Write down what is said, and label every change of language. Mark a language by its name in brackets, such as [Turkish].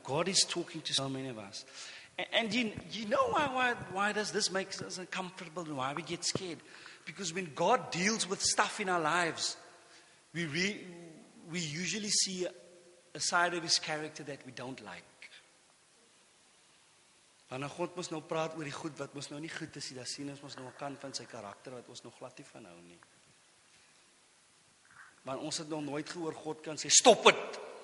[English] God is talking to so many of us. And you know why does this make us uncomfortable and why we get scared? Because when God deals with stuff in our lives, we usually see a side of his character that we don't like. [Afrikaans] Wanneer God mos nou praat oor die goed wat mos nou nie goed is, dan sien ons mos nou 'n kant van sy karakter wat ons nog glad nie van hou nie. Want ons het nog nooit gehoor God kan sê stop het.